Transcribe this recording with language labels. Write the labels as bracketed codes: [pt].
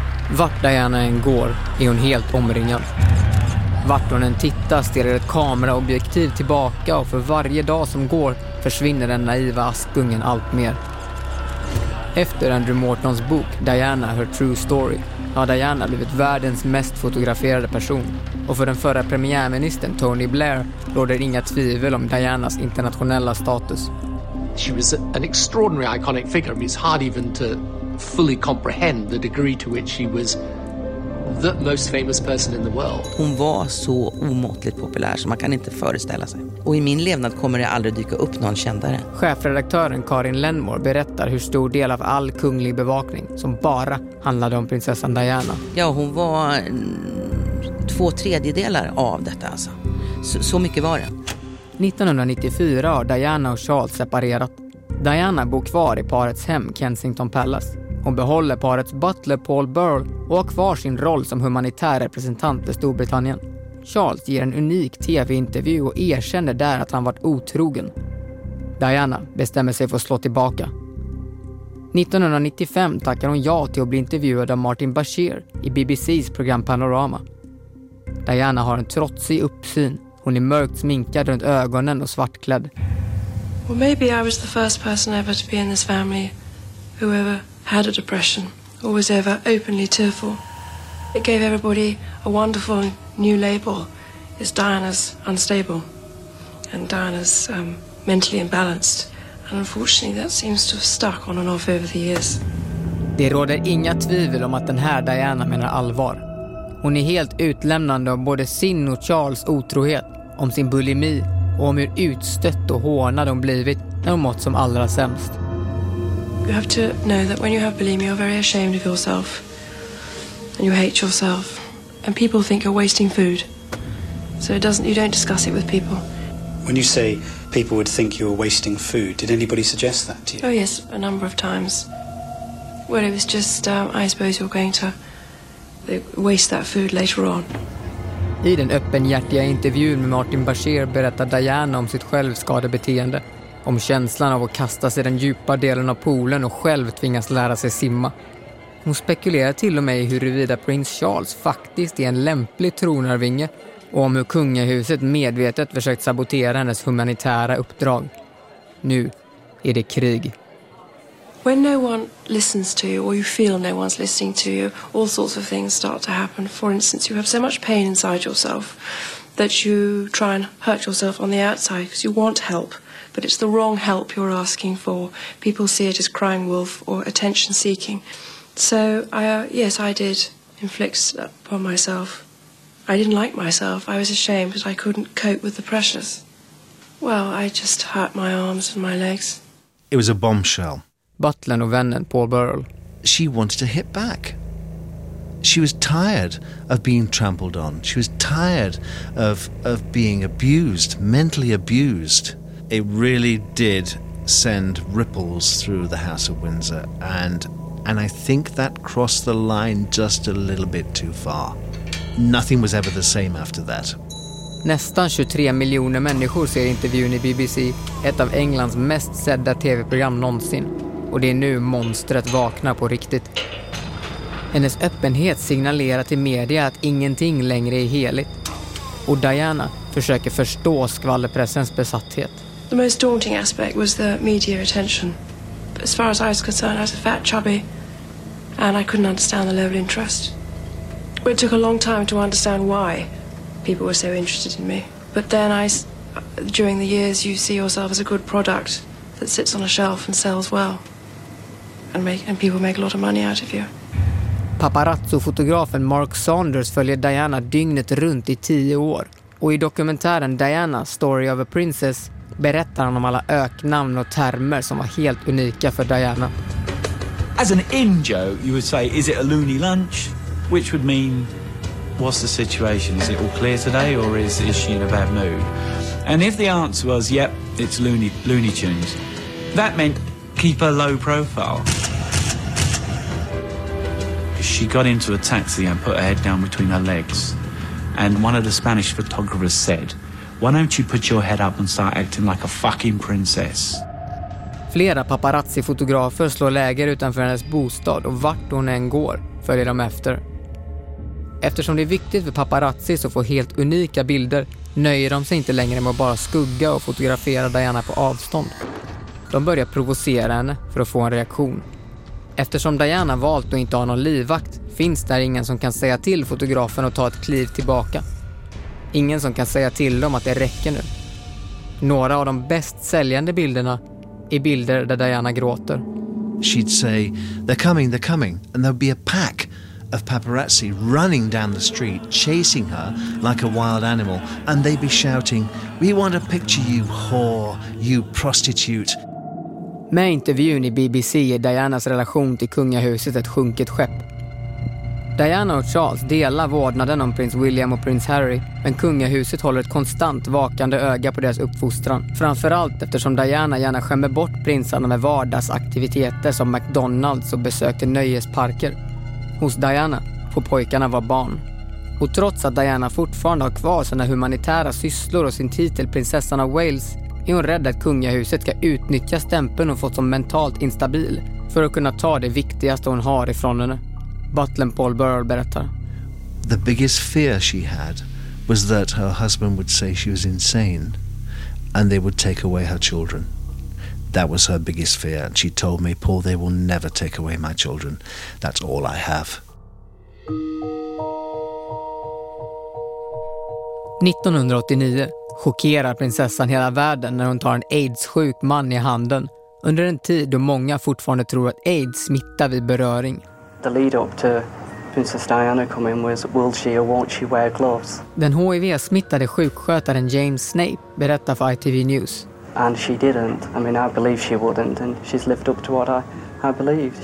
[sv] Vart Diana än går är hon helt omringad. Vart hon än tittar stirrar ett kameraobjektiv tillbaka, och för varje dag som går försvinner den naiva askungen allt mer. Efter Andrew Mortons bok Diana, Her True Story har Diana blivit världens mest fotograferade person, och för den förra premiärministern Tony Blair råder inga tvivel om Dianas internationella status. [en] She was an extraordinary iconic figure. It's hard even to fully comprehend the degree to which she was the most famous person in the world. [sv] Hon var så omåttligt populär så man kan inte föreställa sig. Och i min levnad kommer det aldrig dyka upp någon kändare. Chefredaktören Karin Lenmore berättar hur stor del av all kunglig bevakning som bara handlade om prinsessan Diana. Ja, hon var 2/3 av detta, alltså. Så mycket var det. 1994 har Diana och Charles separerat. Diana bor kvar i parets hem Kensington Palace. Hon behåller parets butler Paul Burrell och har kvar sin roll som humanitär representant för Storbritannien. Charles ger en unik tv-intervju och erkänner där att han varit otrogen. Diana bestämmer sig för att slå tillbaka. 1995 tackar hon ja till att bli intervjuad av Martin Bashir i BBCs program Panorama. Diana har en trotsig uppsyn. Hon är mörkt sminkad runt ögonen och svartklädd. [en] Well, maybe I was the first person ever to be in this family who ever had a depression or was ever openly tearful. It gave everybody a wonderful new label. It's Diana's unstable and Diana's mentally imbalanced. And unfortunately that seems to have stuck on and off over the years. [sv] Det råder inga tvivel om att den här Diana menar allvar. Hon är helt utlämnande om både sin och Charles otrohet, om sin bulimi och om hur utstött och hånad hon blivit när hon mått som allra sämst. [en] You have to know that when you have bulimia, you're very ashamed of yourself and you hate yourself and people think you're wasting food. So you don't discuss it with people. When you say people would think you were wasting food, did anybody suggest that to you? Oh yes, a number of times. Well, it was just I suppose you're going to waste that food later on. [sv] I den öppenhjärtiga intervjun med Martin Bashir berättar Diana om sitt självskadebeteende. Om känslan av att kasta sig den djupa delen av poolen och själv tvingas lära sig simma. Hon spekulerar till och med i huruvida prins Charles faktiskt är en lämplig tronarvinge och om hur kungahuset medvetet försökt sabotera hennes humanitära uppdrag. Nu är det krig. [en] When no one listens to you or you feel no one's listening to you, all sorts of things start to happen. For instance, you have so much pain inside yourself that you try and hurt yourself on the outside because you want help, but it's the wrong help you're asking for. People see it as crying wolf or attention seeking. So I did inflict upon myself. I didn't like myself. I was ashamed that I couldn't cope with the pressures. Well, I just hurt my arms and my legs. It was a bombshell. [sv] Butlern och vännen Paul Burrell. [en] She wanted to hit back. She was tired of being trampled on. She was tired of being abused, mentally abused. It really did send ripples through the House of Windsor, and I think that crossed the line just a little bit too far. Nothing was ever the same after that. [sv] Nästan 23 miljoner människor ser intervjun i BBC, ett av Englands mest sedda TV-program någonsin. Och det är nu monstret vaknar på riktigt. Hennes öppenhet signalerar till media att ingenting längre är heligt. Och Diana försöker förstå skvallerpressens besatthet. [en] The most daunting aspect was the media attention. As far as I was concerned, I was a fat chubby and I couldn't understand the level of interest. It took a long time to understand why people were so interested in me. But then during the years you see yourself as a good product that sits on a shelf and sells well. And people make a lot of money out of you. [sv] Paparazzo-fotografen Mark Saunders följer Diana dygnet runt i 10 år. Och i dokumentären Diana, Story of a Princess, berättar han om alla öknamn och termer som var helt unika för Diana. [en] As an in-joke, you would say, is it a loony lunch? Which would mean, what's the situation? Is it all clear today or is she in a bad mood? And if the answer was, yep, it's loony tunes, that meant keep a low profile. She got into a taxi and put her head down between her legs. And one of the Spanish photographers said, why don't you put your head up and start acting like a fucking princess? [sv] Flera paparazzi-fotografer slår läger utanför hennes bostad och vart hon än går följer de efter. Eftersom det är viktigt för paparazzi att få helt unika bilder nöjer de sig inte längre med att bara skugga och fotografera Diana på avstånd. De börjar provocera henne för att få en reaktion. Eftersom Diana valt att inte ha någon livvakt finns där ingen som kan säga till fotografen att ta ett kliv tillbaka. Ingen som kan säga till dem att det räcker nu. Några av de bäst säljande bilderna är bilder där Diana gråter. [en] She'd say, they're coming, and there'll be a pack of paparazzi running down the street chasing her like a wild animal, and they'd be shouting, we want a picture you whore, you prostitute. [sv] Med intervjun i BBC är Dianas relation till kungahuset ett sjunket skepp. Diana och Charles delar vårdnaden om prins William och prins Harry, men kungahuset håller ett konstant vakande öga på deras uppfostran. Framförallt eftersom Diana gärna skämmer bort prinsarna med vardagsaktiviteter som McDonald's och besökte nöjesparker. Hos Diana får pojkarna vara barn. Och trots att Diana fortfarande har kvar sina humanitära sysslor och sin titel prinsessan av Wales, är hon rädd att kungahuset ska utnyttja stämpeln och fått som mentalt instabil för att kunna ta det viktigaste hon har ifrån henne. Butlern Paul Burrell berättar. [en] The biggest fear she had was that her husband would say she was insane and they would take away her children. That was her biggest fear. She told me, Paul, they will never take away my children. That's all I have. [sv] 1989 chockerar prinsessan hela världen när hon tar en AIDS-sjuk man i handen under en tid då många fortfarande tror att AIDS smittar vid beröring. [en] The lead up to Princess Diana come in was, will she or won't she wear gloves? [sv] Den HIV-smittade sjukskötaren James Snape berättar för ITV News. [en] And she didn't. I mean, I believe she wouldn't, and she's lived up to what I believed.